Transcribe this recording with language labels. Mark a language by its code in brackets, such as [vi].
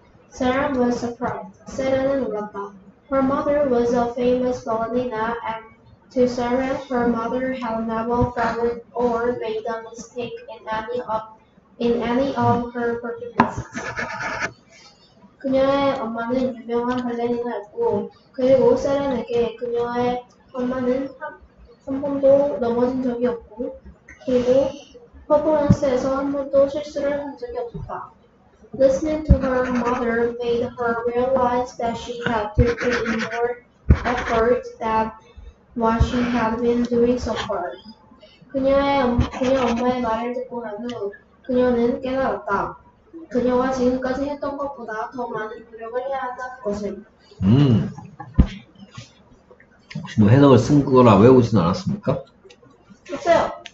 [en] Sarah was surprised. [ko] Sarah는 놀랐다. [en] Her mother was a famous ballerina, and to Sarah, her mother had never fallen or made a mistake in any of her performances. [ko] 그녀의 엄마는 유명한 발레리나였고, 그리고 Sarah에게 그녀의 엄마는 한 번도 넘어진 적이 없고, 그리고 퍼포먼스에서 한 번도 실수를 한 적이 없었다. [en] Listening to her mother made her realize that she had to put in more effort than what she had been doing so far. [ko] 그녀 엄마의 말을 듣고 난 후 그녀는 깨달았다. 그녀가 지금까지 했던 것보다 더 많은 노력을 해야 한다는 것을. 혹시 뭐 해석을 쓴 거나 외우진 않았습니까? 했어요.